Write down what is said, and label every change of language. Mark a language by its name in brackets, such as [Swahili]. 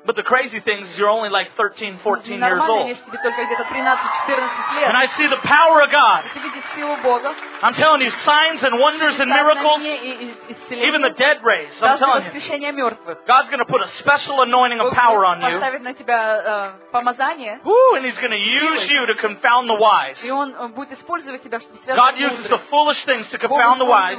[English] But the crazy thing is, you're only like 13, 14 years old. [Russian] Нормально, если тебе только где-то 13-14 лет. [English] And I see the power of God. [Russian] Ты видишь силу Бога. [English] I'm telling you, signs and wonders and miracles. Even the dead raised. I'm telling you. God's going to put a special anointing of power on you. And he's going to use you to confound the wise. God uses the foolish things to confound the wise.